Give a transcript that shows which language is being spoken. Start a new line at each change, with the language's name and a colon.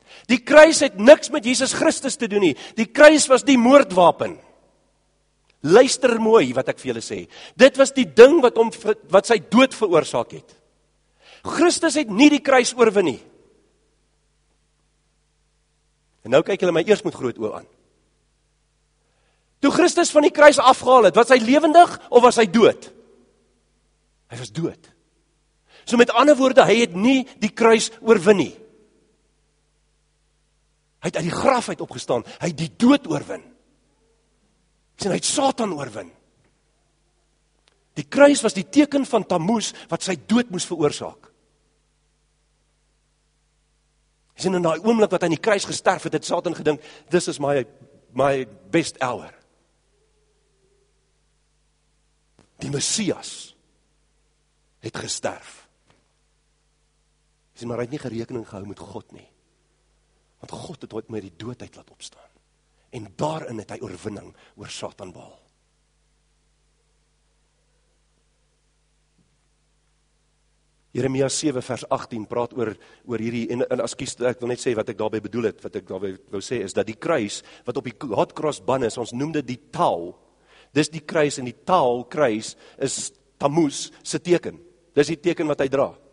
Afrikaans: Die kruis het niks met Jesus Christus te doen nie. Die kruis was die moordwapen. Luister mooi wat ek vir julle sê. Dit was die ding wat hom wat sy dood veroorsaak het. Christus het nie die kruis oorwin nie. En nou kyk julle my eers met groot oë aan. Toe Christus van die kruis afgehaal het, was hy lewendig of was hy dood? Hy was dood. So met ander woorde, hy het nie die kruis oorwin nie. Hy het uit die graf uit opgestaan, hy het die dood oorwin. Hy het Satan oorwin. Die kruis was die teken van Tammuz, wat sy dood moes veroorsaak. Hy sien, in die oomblik wat hy in die kruis gesterf het, het Satan gedink,
English: this is my best hour.
Afrikaans: Die Messias het gesterf. Hy sien, maar hy het nie gerekening gehou met God nie. Want God het ooit met die dood uit laat opstaan. En daarin het hy oorwinning oor Satan behaal. Jeremia 7 vers 18 praat oor hierdie, en askies, ek wil net sê wat ek daarby bedoel het, wat ek daarby wou sê, is dat die kruis, wat op die hot cross ban is, ons noem dit die taal, dis die kruis, en die taal, kruis, is Tammuz se teken. Dis die teken wat hy dra.